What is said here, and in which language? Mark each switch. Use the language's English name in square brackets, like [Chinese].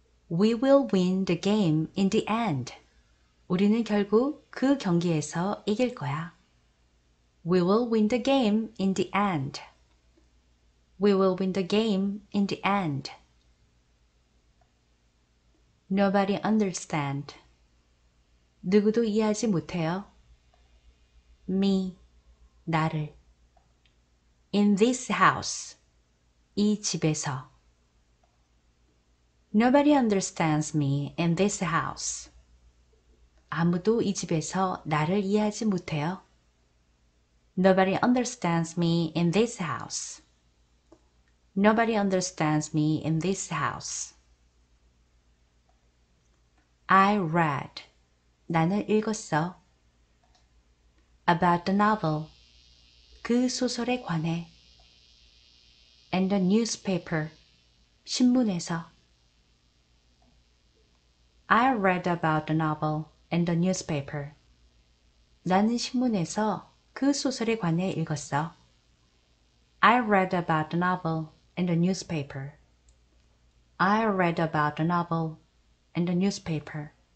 [English] We will win the game in the end. [Korean] 우리는 결국 그 경기에서 이길 거야. [English] We will win the game in the end. We will win the game in the end. Nobody understand. [Korean] 누구도 이해하지 못해요. [English] Me, [Korean] 나를. [English] In this house, [Korean] 이 집에서. [English] Nobody understands me in this house. 아무도 이 집에서 나를 이해하지 못해요. Nobody understands me in this house. Nobody understands me in this house. I read. [Korean] 나는 읽었어. [English] About the novel. [Korean] 그 소설에 관해. [English] And the newspaper. [Korean] 신문에서. [English] I read about the novel and the newspaper. [Korean] 나는 신문에서 그 소설에 관해 읽었어. [English] I read about the novel in the newspaper. I read about the novel in the newspaper.